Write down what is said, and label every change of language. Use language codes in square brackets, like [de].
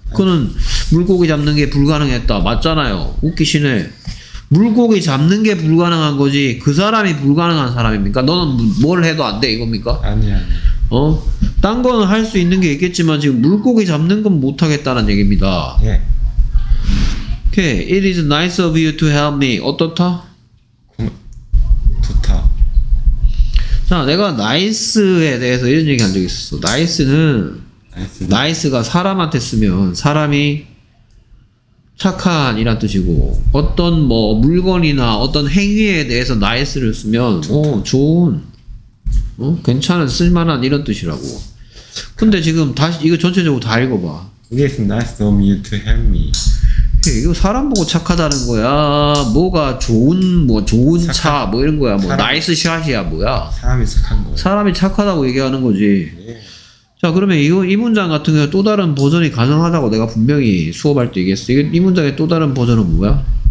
[ko] 그는 물고기 잡는 게 불가능했다. 맞잖아요. 웃기시네. 물고기 잡는 게 불가능한 거지. 그 사람이 불가능한 사람입니까? 너는 뭘 해도 안 돼, 이겁니까? 아니야. 어? 딴 거는 할 수 있는 게 있겠지만 지금 물고기 잡는 건 못 하겠다는 얘기입니다. 예. [en] Okay, it is nice of you to help me. [ko] 어떻다? 좋다. 자, 내가 nice에 대해서 이런 얘기 한 적 있었어. nice는 nice가 사람한테 쓰면 사람이 착한이란 뜻이고 어떤 뭐 물건이나 어떤 행위에 대해서 nice를 쓰면 오, 좋은, 어? 괜찮은, 쓸만한 이런 뜻이라고. 근데 지금 다시 이거 전체적으로 다 읽어봐. [en] It is nice of you to help me. [ko] 이거 사람 보고 착하다는 거야. 뭐가 좋은 뭐 좋은 착한, 차 뭐 이런 거야. 뭐 사람, 나이스 샷이야 뭐야. 사람이 착한 거야. 사람이 착하다고 얘기하는 거지. 네. 자, 그러면 이 문장 같은 경우 또 다른 버전이 가능하다고 내가 분명히 수업할 때 얘기했어. 이 문장의 또 다른 버전은 뭐야?